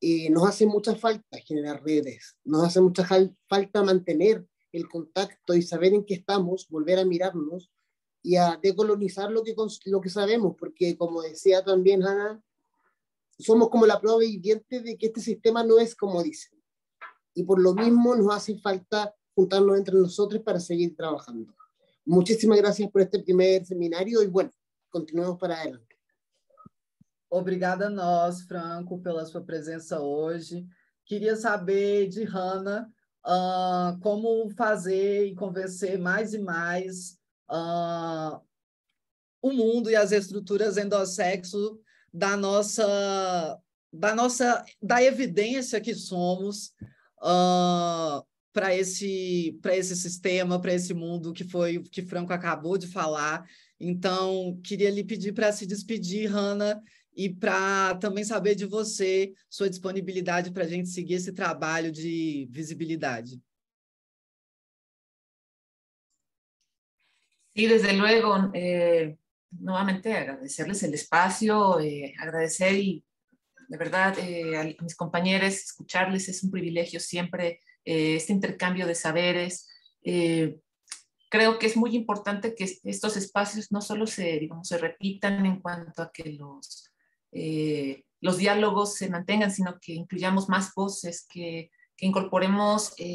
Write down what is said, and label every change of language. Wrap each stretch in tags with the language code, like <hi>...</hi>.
<es>nos hace mucha falta generar redes, nos hace mucha falta mantener el contacto y saber en qué estamos, volver a mirarnos y a decolonizar lo que sabemos, porque como decía también Ana, somos como la prueba viviente de que este sistema no es como dicen, y por lo mismo nos hace falta juntarnos entre nosotros para seguir trabajando. Muchísimas gracias por este primer seminario y bueno, continuemos para adelante.</es> <pt>Obrigada a nós, Franco, pela sua presença hoje. Queria saber de Hanna como fazer e convencer mais e mais o mundo e as estruturas endossexo da evidência que somos para esse sistema, para esse mundo que Franco acabou de falar. Então, queria lhe pedir para se despedir, Hanna, e para também saber de você, sua disponibilidade para a gente seguir esse trabalho de visibilidade.</pt> <es>Sí, desde luego, nuevamente agradecerles el espacio, agradecer y de verdad a mis compañeros, escucharles es un privilegio siempre, este intercambio de saberes. Creo que es muy importante que estos espacios no solo se repitan en cuanto a que los diálogos se mantengan, sino que incluyamos más voces, que incorporemos</es>